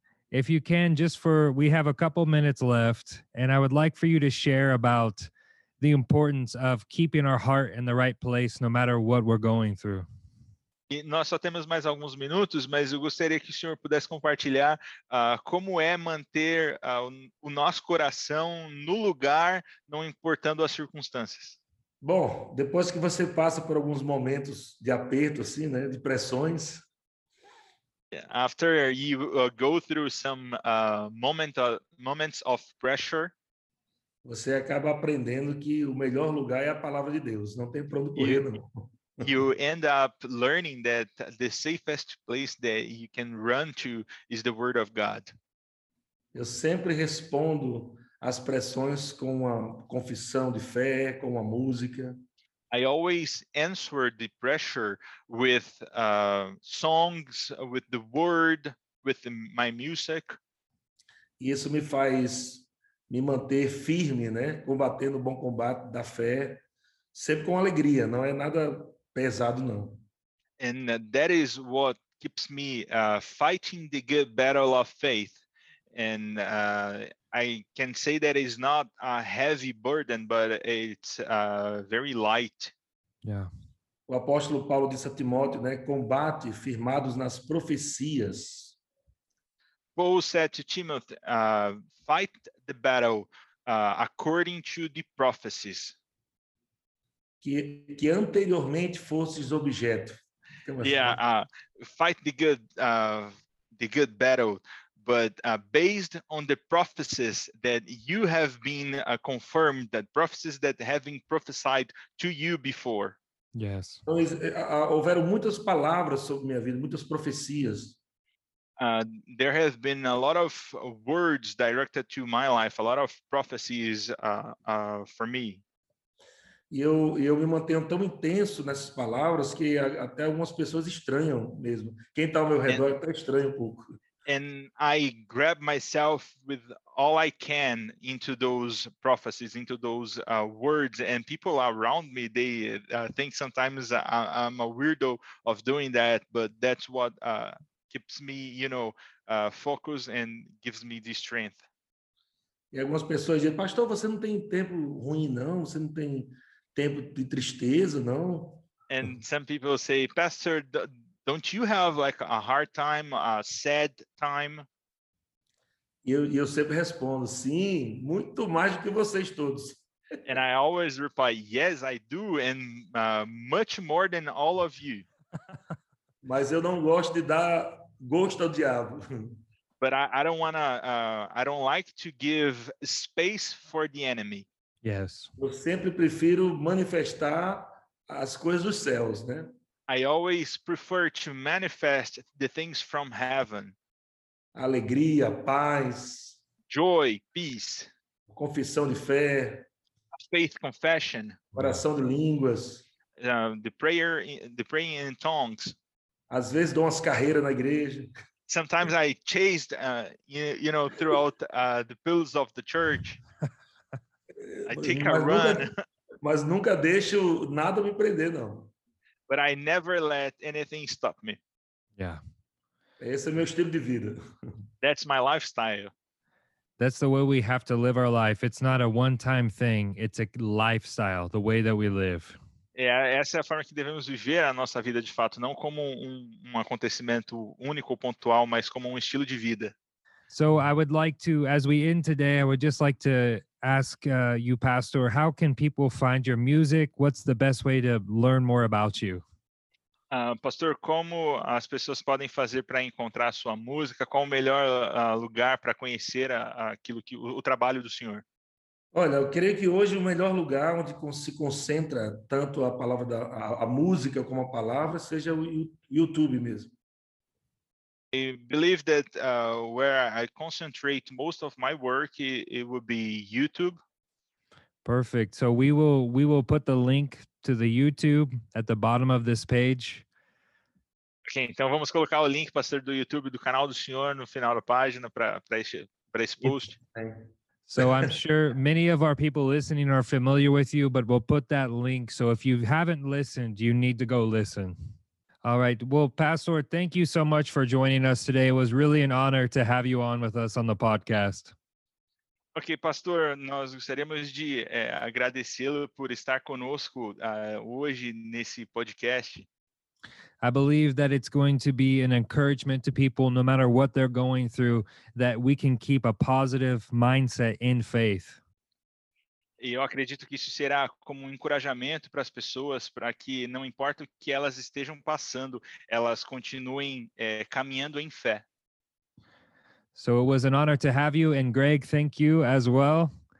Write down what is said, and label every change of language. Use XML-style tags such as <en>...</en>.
<en>If you can, just for, we have a couple minutes left, and I would like for you to share about the importance of keeping our heart in the right place, no matter what we're going through.</en> <pt>E nós só temos mais alguns minutos, mas eu gostaria que o senhor pudesse compartilhar como é manter o nosso coração no lugar, não importando as circunstâncias. Bom, depois que você passa por alguns momentos de aperto, assim, né, de pressões...</pt> <en>After you go through some moments of pressure,</en> <pt>você acaba aprendendo que o melhor lugar é a palavra de Deus, não tem para onde correr, não.</pt> <en>You end up learning that the safest place that you can run to is the word of God.</en> <pt>Eu sempre respondo às pressões com uma confissão de fé, com uma música.</pt> <en>I always answer the pressure with songs, with the word, with my music.</en> <pt>Isso me faz me manter firme, né? Combatendo o bom combate da fé, sempre com alegria, não é nada pesado, não.</pt> <en>And that is what keeps me fighting the good battle of faith. And I can say that it's not a heavy burden, but it's very light. Yeah.</en> <pt>O apóstolo Paulo disse a Timóteo, né, combate firmados nas profecias.</pt> <en>Paul said to Timothy, fight the battle according to the prophecies.</en> <pt>Que anteriormente fosses objeto.</pt> <en>Fight the good battle. But based on the prophecies that you have been confirmed, that prophecies that have been prophesied to you before. Yes.</en> <pt>Houveram muitas palavras sobre minha vida, muitas profecias.</pt> <en>There have been a lot of words directed to my life, a lot of prophecies for me.</en> <pt>E eu me mantenho tão intenso nessas palavras que até algumas pessoas estranham mesmo. Quem está ao meu redor está estranho um pouco.</pt> <en>And I grab myself with all I can into those prophecies, into those words. And people around me, they think sometimes I'm a weirdo of doing that. But that's what keeps me, you know, focused and gives me the strength.</en> <pt>E algumas pessoas dizem, pastor, você não tem tempo ruim, não? Você não tem tempo de tristeza, não?</pt> <en>And some people say, pastor... Don't you have like a hard time, a sad time?</en> <pt>Eu sempre respondo, sim, muito mais do que vocês todos.</pt> <en>And I always reply, yes, I do, and much more than all of you.</en> <pt>Mas eu não gosto de dar gosto ao diabo.</pt> <en>But I don't wanna, I don't like to give space for the enemy. Yes.</en> <pt>Eu sempre prefiro manifestar as coisas dos céus, né?</pt> <en>I always prefer to manifest the things from heaven.</en> <pt>Alegria, paz.</pt> <en>Joy, peace.</en> <pt>Confissão de fé.</pt> <en>Faith confession.</en> <pt>Oração de línguas.</pt> <en>The praying in tongues.</en> <pt>Às vezes dou umas carreiras na igreja.</pt> <en>Sometimes I chased, you know, throughout the pillars of the church. I take a run.</en> <pt>Mas nunca deixo nada me prender, não.</pt> <en>But I never let anything stop me. Yeah.</en> <pt>Esse é meu estilo de vida.</pt> <en>That's my lifestyle. That's the way we have to live our life. It's not a one-time thing. It's a lifestyle, the way that we live.</en> <pt>É, essa é a forma que devemos viver a nossa vida de fato, não como um acontecimento único, pontual, mas como um estilo de vida.</pt> <en>So I would like to, as we end today, I would just like to ask you, Pastor, how can people find your music? What's the best way to learn more about you?</en> <pt>Pastor, como as pessoas podem fazer para encontrar a sua música? Qual o melhor lugar para conhecer aquilo que o trabalho do Senhor? Olha, eu creio que hoje o melhor lugar onde se concentra tanto a palavra da a música como a palavra seja o YouTube mesmo.</pt> <en>I believe that where I concentrate most of my work, it would be YouTube. Perfect. So we will put the link to the YouTube at the bottom of this page.</en> <pt>Okay, então vamos colocar o link, pastor, do YouTube do canal do senhor no final da página para esse post.</pt> <en>So I'm sure many of our people listening are familiar with you, but we'll put that link. So if you haven't listened, you need to go listen. All right. Well, Pastor, thank you so much for joining us today. It was really an honor to have you on with us on the podcast.</en> <pt>Ok, pastor, nós gostaríamos de agradecê-lo por estar conosco hoje nesse podcast.</pt> <en>I believe that it's going to be an encouragement to people, no matter what they're going through, that we can keep a positive mindset in faith.</en> <pt>E eu acredito que isso será como um encorajamento para as pessoas, para que não importa o que elas estejam passando, elas continuem caminhando em fé.</pt> <en>So it was an honor to have you, and Greg, thank you as well.</en>